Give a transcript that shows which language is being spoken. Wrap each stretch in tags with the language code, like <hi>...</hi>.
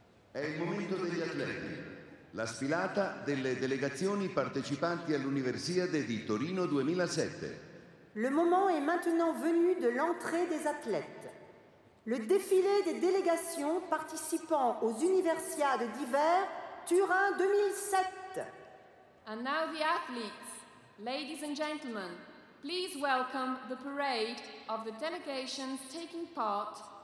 <it>È il momento degli atleti, la sfilata delle delegazioni partecipanti all'Universiade di Torino 2007.</it> <fr>Le moment est maintenant venu de l'entrée des athlètes. Le défilé des délégations participant aux Universiades d'hiver Turin 2007.</fr> <en>And now the athletes, ladies and gentlemen, please welcome the parade of the delegations taking part</en>